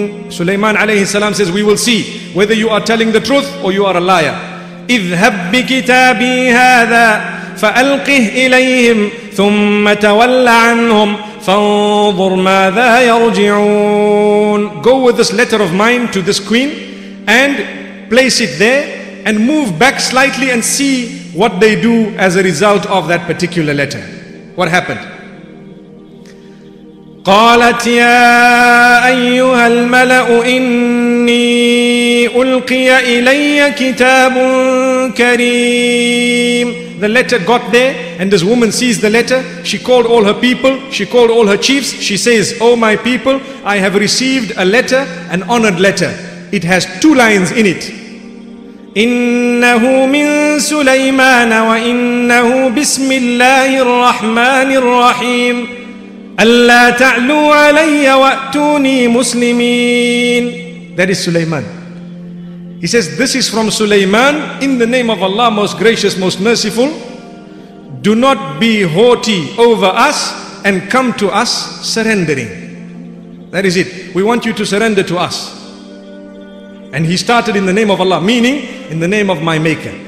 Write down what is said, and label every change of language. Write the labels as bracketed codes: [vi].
[en] Suleiman alayhi salam says, we will see whether you are telling the truth or you are a liar. [ar] اذهب بكتابي هذا فألقه إليهم ثم تول عنهم فانظر ماذا يرجعون. [en] Go with this letter of mine to this queen and place it there and move back slightly and see what they do as a result of that particular letter. What happened? [ar] قالت يا أيها الملأ إني ألقي إلي كتاب كريم. [en] The letter got there and this woman sees the letter. She called all her people, she called all her chiefs. She says, oh my people, I have received a letter, an honored letter. It has two lines in it. [ar] إنه من سليمان وإنه بسم الله الرحمن الرحيم ألا تعلوا علي وأتوني مسلمين. [en] That is Suleiman. He says, this is from Suleiman. In the name of Allah, most gracious, most merciful, do not be haughty over us and come to us surrendering. That is it. We want you to surrender to us. And he started in the name of Allah, meaning in the name of my maker.